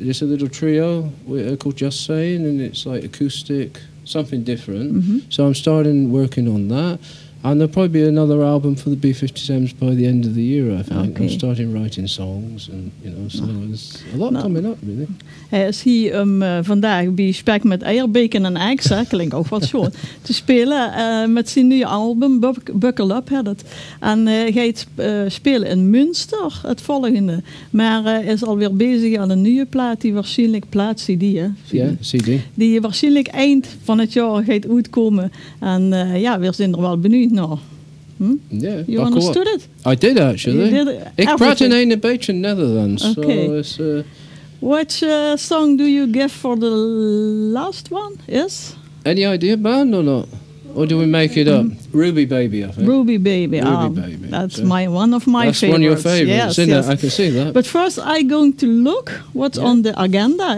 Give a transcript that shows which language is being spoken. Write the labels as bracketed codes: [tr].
[en] It's a little trio called Just Saying, and it's like acoustic, something different. Mm-hmm. So I'm starting working on that. And there'll probably be another album for the B-57s by the end of the year, I think. Okay. I'm starting writing songs and, you know, so there's a lot coming up, really. [nl] Is he vandaag bij Spek met Eier, Bacon and Eggs, hè, klinkt ook wat schoon, te spelen met zijn nieuwe album, Buckle Up, heet het. En hij gaat spelen in Münster, het volgende. Maar is alweer bezig aan een nieuwe plaat, die waarschijnlijk plaat CD, hè? Ja, CD. Die waarschijnlijk eind van het jaar gaat uitkomen. En ja, we zijn er wel benieuwd naar. [en] Yeah, you understood it? I did, actually. You did [nl] ik praat in een beetje Netherlands, [en] okay. So it's... What song do you give for the last one? Yes? Any idea, band or not? Or do we make it up? Ruby Baby, I think. Ruby Baby. Ruby Baby. That's so my one of my that's favorites. That's one of your favorites, yes, isn't yes. it? I can see that. But first, I'm going to look what's yeah. on the agenda.